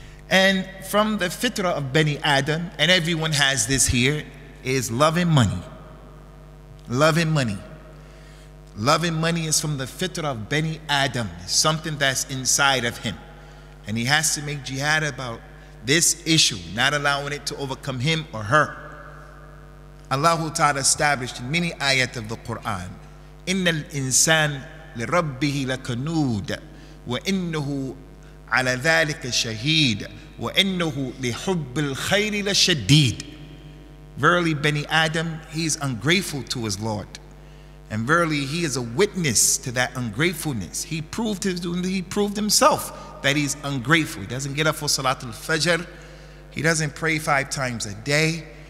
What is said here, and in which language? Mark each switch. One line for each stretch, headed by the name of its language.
English: And from the fitrah of Bani Adam, and everyone has this here, is loving money. Loving money. Loving money is from the fitrah of Bani Adam. It's something that's inside of him. And he has to make jihad about this issue, not allowing it to overcome him or her. Allah Ta'ala established in many ayat of the Quran,
Arabic: إِنَّ الْإِنسَانَ لِرَبِّهِ لَكَنُودَ وَإِنَّهُ عَلَى ذَلِكَ شَهِيدَ وَإِنَّهُ لِحُبِّ الْخَيْرِ لَشَدِيدَ.
English: Verily, Bani Adam, he is ungrateful to his Lord. And verily, he is a witness to that ungratefulness. He proved himself that he's ungrateful. He doesn't get up for Salat al-Fajr. He doesn't pray five times a day.